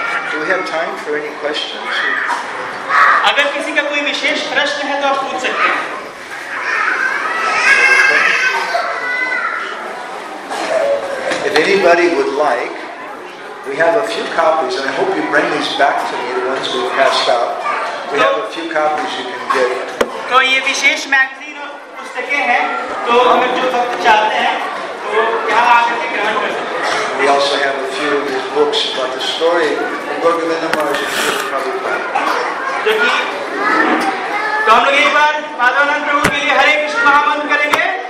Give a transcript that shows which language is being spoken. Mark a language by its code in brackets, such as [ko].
[en] Do we have time for any questions? [hi] अगर किसी का कोई विशेष प्रश्न है तो आप पूछ सकते हैं. [en] If anybody would like, We have a few copies, and I hope you bring these back to me, the ones we've passed out. We have a few copies you can get. [hi] तो ये विशेष magazine और पुस्तकें हैं, तो हमें जो भक्त चाहते हैं तो यहाँ आकर के ग्रहण कर सकते हैं। [en] We also have a few of these books about the story of Gurgananda Maharaj and Srila Prabhupada. [hi] तो हम लोग एक बार माधवानंद प्रभु के लिए हरे कृष्ण महामंत्र करेंगे।